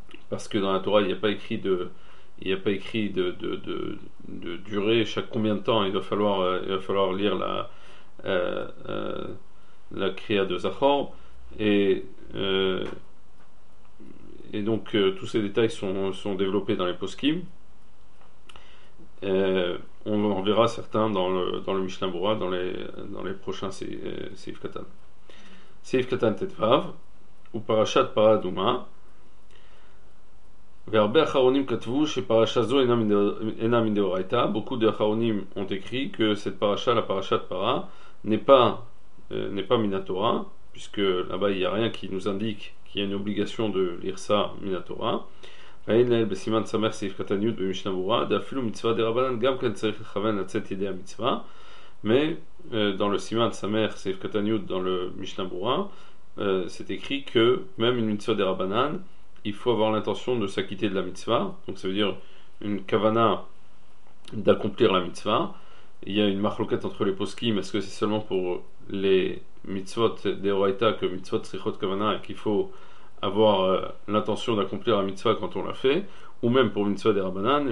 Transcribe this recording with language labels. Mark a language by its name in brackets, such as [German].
[French] Parce que dans la Torah, il n'y a pas écrit de durée, chaque combien de temps il va falloir lire la Kriya de Zachor, et donc tous ces détails sont développés dans les poskim. On en verra certains dans le Mishnah Berurah dans les prochains Seif Katan Tet Vav ou Parashat Paraduma. [Hebrew] והרבה אחרונים כתבו שפרשה זו אינה מדאורייתא. [French] Beaucoup de haronim ont écrit que cette parasha, la parashat para, n'est pas minatora, puisque là-bas il n'y a rien qui nous indique qu'il y a une obligation de lire ça minatora. [Hebrew] ואין לאל בסימן סמך סעיף קטן י' במשנה ברורה, דאפילו מצווה דרבנן גם כן צריך לכוון לצאת ידי המצווה. [French] Mais dans le סימן סמך סעיף קטן י' dans le משנה ברורה, c'est écrit que même une mitzvah דרבנן, il faut avoir l'intention de s'acquitter de la mitzvah, donc ça veut dire une kavana d'accomplir la mitzvah. Il y a une machloket entre les poskim, est-ce que c'est seulement pour les mitzvot d'Oraita que mitzvot srichot kavana qu'il faut avoir l'intention d'accomplir la mitzvah quand on l'a fait, ou même pour mitzvah des rabbanan.